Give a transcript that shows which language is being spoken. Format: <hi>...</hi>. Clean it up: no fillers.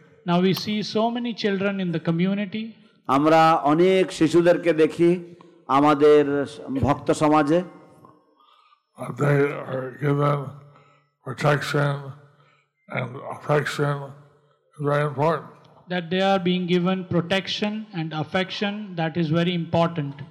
<en>Now we see so many children in the community.</en> <bn>আমরা অনেক শিশুদেরকে দেখি আমাদের ভক্ত সমাজে।</bn> <en>They are given protection and affection, very important. That they are being given protection and affection, that is very important.</en>